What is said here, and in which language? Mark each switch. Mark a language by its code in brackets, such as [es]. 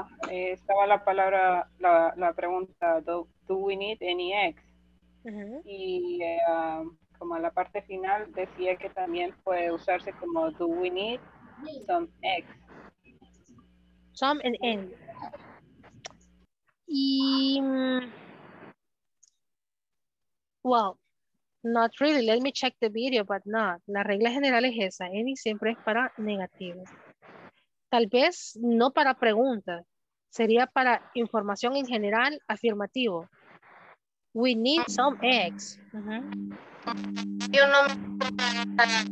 [es] Estaba la palabra, la pregunta, [en] do we need any eggs? [es] Uh-huh. Y como a la parte final decía que también puede usarse como [en] do we need some eggs. Some and any. Y, well, not really, let me check the video, but not. [es] La regla general es esa, any siempre es para negativo. Tal vez no para preguntas, sería para información en general afirmativo. [en] We need some eggs. [es] Uh-huh. Yo no.